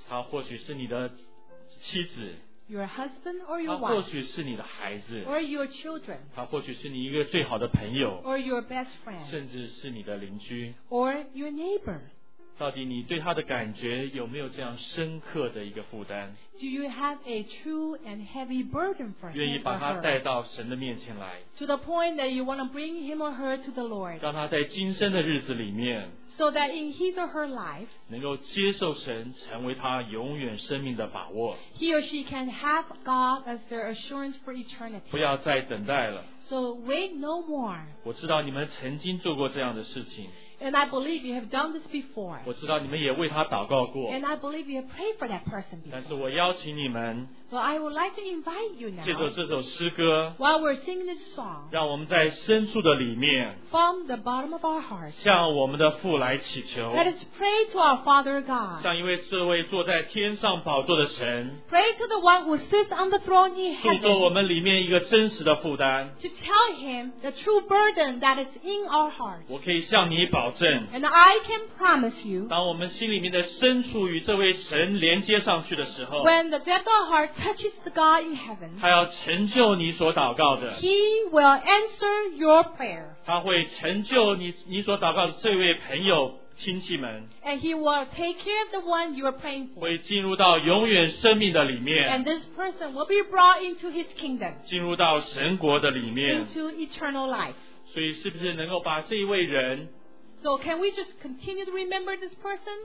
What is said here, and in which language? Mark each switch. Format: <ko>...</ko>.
<zh>他或许是你的妻子</zh> <en>Your husband or your wife</en> <zh>他或许是你的孩子</zh> <en>Or your children</en> <zh>他或许是你一个最好的朋友</zh> <en>Or your best friend</en> <zh>甚至是你的邻居</zh> <en>Or your neighbor</en> <zh>到底你对他的感觉有没有这样深刻的一个负担</zh> <en>Do you have a true and heavy burden for him or her?</en> <zh>愿意把他带到神的面前来</zh> <en>To the point that you want to bring him or her to the Lord</en> <zh>让他在今生的日子里面</zh> <en>So that in his or her life</en> <zh>能够接受神成为他永远生命的把握</zh> <en>He or she can have God as their assurance for eternity</en> <zh>不要再等待了</zh> <en>So wait no more</en> <zh>我知道你们曾经做过这样的事情</zh> <en>And I believe you have done this before.</en> <zh>我知道你们也为他祷告过。</zh> <en>And I believe you have prayed for that person before.</en> <zh>但是我邀请你们。</zh> <en>Well, I would like to invite you now.</en> <zh>借着这首诗歌。</zh> <en>While we're singing this song.</en> <zh>让我们在深处的里面。</zh> <en>From the bottom of our hearts.</en> <zh>向我们的父来祈求。</zh> <en>Let us pray to our Father God.</en> <zh>向一位这位坐在天上宝座的神。</zh> <en>Pray to the one who sits on the throne in heaven.</en> <zh>诉说我们里面一个真实的负担。</zh> <en>To tell him the true burden that is in our hearts.</en> <zh>我可以向你保证。</zh> <en>And I can promise you,</en> <zh>当我们心里面的深处与这位神连接上去的时候</zh> <en>when the depth of heart touches the God in heaven,</en> <zh>他要成就你所祷告的</zh> <en>He will answer your prayer.</en> <zh>他会成就 你所祷告的这位朋友亲戚们</zh> <en>And he will take care of the one you are praying for.</en> <zh>会进入到永远生命的里面</zh> <en>And this person will be brought into his kingdom.</en> <zh>进入到神国的里面</zh> <en>Into eternal life.</en> <zh>所以是不是能够把这一位人</zh> <en>So can we just continue to remember this person?</en>